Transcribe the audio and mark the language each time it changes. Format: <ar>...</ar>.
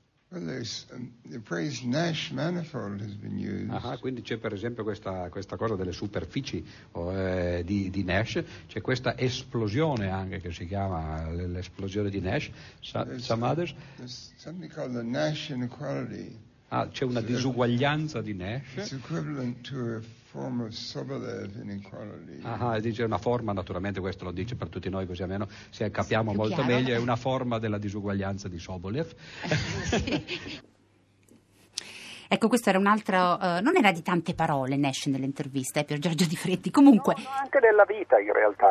<en>The phrase Nash manifold has been used.</en> <it>Quindi c'è per esempio questa cosa delle superfici di Nash, c'è questa esplosione anche che si chiama l'esplosione di Nash.</it> <en>Some others. There's something called the Nash inequality.</en> <it>C'è una disuguaglianza di Nash.</it> <en>It's equivalent to a form of Sobolev inequality.</en> <it>Dice una forma, naturalmente questo lo dice per tutti noi, così almeno se capiamo sì, molto chiaro. Meglio, è una forma della disuguaglianza di Sobolev. Ecco, questo era un altro, non era di tante parole Nash nell'intervista, Pier Giorgio Di Freddi, comunque. No, anche della vita in realtà,</it>